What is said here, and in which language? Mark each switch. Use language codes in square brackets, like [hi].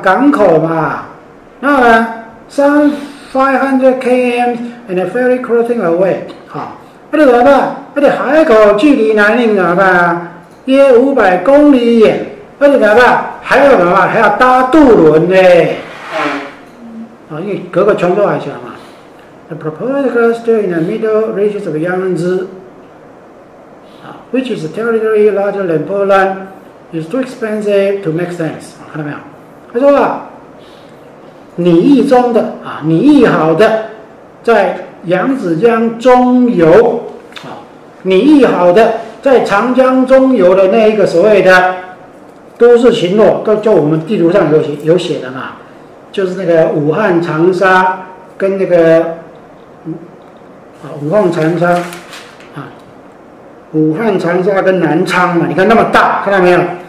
[zh] 港口嘛。那么呢， [en] 500 km and a ferry crossing away， [zh] 好，那就怎么办？那就海口距离南宁怎么办啊？约500公里远。而且怎么办？还有什么？还要搭渡轮呢？啊，因为隔个泉州海峡嘛。 [en] The proposed cluster in the middle reaches of Yangtze, which is a territory larger than Poland, is too expensive to make sense. [zh] 啊，看到没有？他说啊，你意中的啊，你意好的，在扬子江中游啊，你意好的在长江中游的那一个所谓的。都市群落，都就我们地图上有写的嘛，就是那个武汉长沙跟那个，武汉长沙，啊，武汉长沙跟南昌嘛，你看那么大，看到没有？